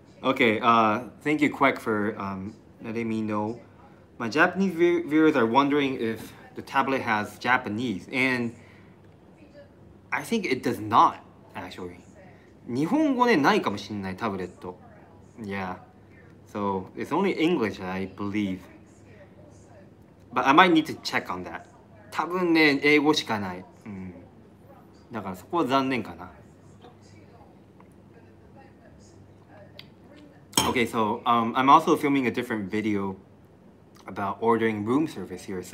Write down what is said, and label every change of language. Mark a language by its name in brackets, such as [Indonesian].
[English] Okay, thank you, Quack, for letting me know. My Japanese viewers are wondering if the tablet has Japanese, and I think it does not, actually. [Japanese] 日本語ね、ないかもしれない、タブレット。 [English] Yeah, so it's only English, I believe. But I might need to check on that. [Japanese] 多分ね、英語しかない。うん、だからそこは残念かな。 [English] Okay, so I'm also filming a different video about ordering room service here.